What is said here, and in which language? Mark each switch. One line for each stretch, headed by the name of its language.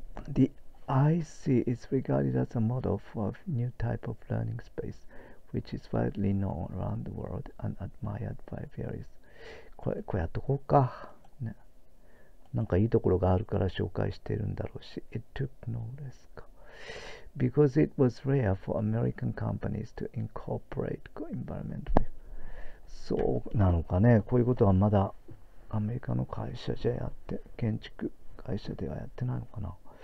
English: The IC is regarded as a model for a new type of learning space which is widely known around the world and admired by various。
Japanese: これやっとこうか。ね。なんかいいところがあるから紹介してるんだろうし。
English: It took no risk because it was rare for American companies to incorporate environment with。
Japanese: そうなのかね。こういうことはまだアメリカの会社じゃやって、建築会社ではやってないのかな。